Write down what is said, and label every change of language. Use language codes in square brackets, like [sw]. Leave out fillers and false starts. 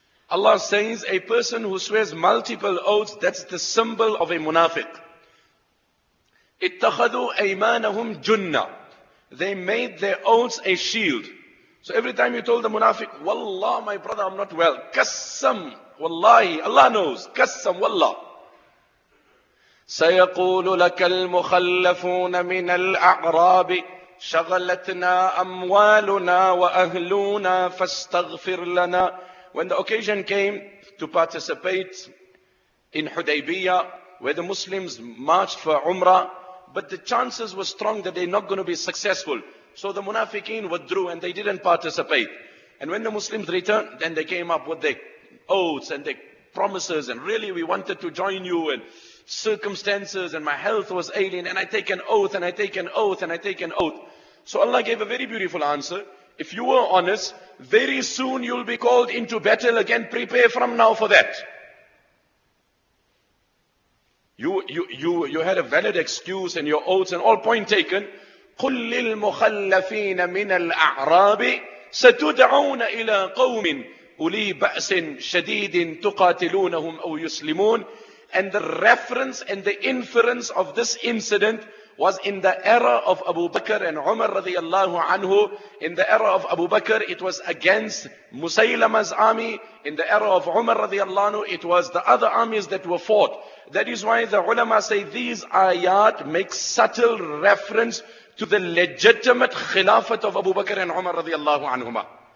[en] Allah says, a person who swears multiple oaths, that's the symbol of a munafiq. [ar] اتخذوا أيمانهم جنة. [en] They made their oaths a shield. So every time you told the munafiq, Wallah, my brother, I'm not well. Qassam, Wallahi, Allah knows. Qassam, Wallah. [ar] سيقول لك المخلفون من الأعراب شغلتنا أموالنا وأهلونا فاستغفر لنا. [en] When the occasion came to participate in Hudaybiyah, where the Muslims marched for Umrah, but the chances were strong that they're not going to be successful. So the Munafiqeen withdrew and they didn't participate. And when the Muslims returned, then they came up with their oaths and their promises, and really we wanted to join you, and circumstances, and my health was ailing, and I take an oath, and I take an oath, and I take an oath. So Allah gave a very beautiful answer. If you were honest, very soon you'll be called into battle again. Prepare from now for that. You had a valid excuse and your oaths and all point taken. [ar] قُلْ لِلْمُخَلَّفِينَ مِنَ الْأَعْرَابِ سَتُدْعَوْنَ إِلَىٰ قَوْمٍ أُولِي بَأْسٍ شَدِيدٍ تُقَاتِلُونَهُمْ أَوْ يُسْلِمُونَ. [en] And the reference and the inference of this incident was in the era of Abu Bakr and Umar radiallahu anhu. In the era of Abu Bakr, it was against Musaylama's army. In the era of Umar radiallahu anhu, it was the other armies that were fought. That is why the ulama say these ayat make subtle reference to the legitimate khilafat of Abu Bakr and Umar radiallahu anhumah.